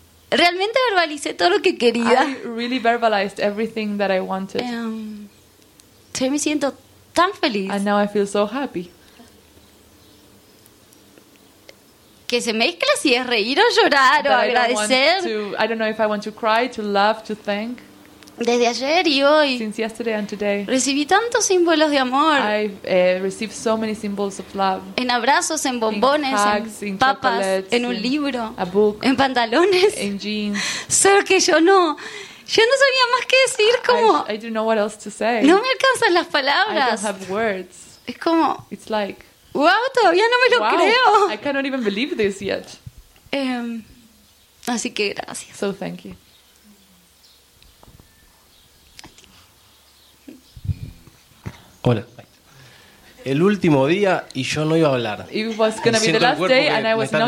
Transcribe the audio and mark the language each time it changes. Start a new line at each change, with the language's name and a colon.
Spanish: Realmente verbalicé todo lo que quería.
English: I really verbalized everything that I wanted.
Spanish: Hoy me siento tan feliz.
English: And now I feel so happy.
Spanish: Que se mezcla si es reír o llorar
English: that
Spanish: o agradecer.
English: I don't know if I want to cry, to love, to thank.
Spanish: Desde ayer y hoy.
English: Since yesterday and today.
Spanish: Recibí tantos símbolos de amor.
English: I've received so many symbols of love.
Spanish: En abrazos, en bombones,
English: in hugs,
Spanish: en papas, en un libro,
English: a book,
Spanish: en pantalones,
English: in jeans.
Spanish: Solo que yo no sabía más qué decir como.
English: I don't know what else to say.
Spanish: No me alcanzan las palabras.
English: I don't have words.
Spanish: Es como.
English: It's like.
Spanish: Wow, todavía no me lo creo.
English: I cannot even believe this yet.
Spanish: Así que gracias.
English: So thank you.
Spanish: Hola. El último día y yo no iba a hablar.
English: It was going to be the last day and I was not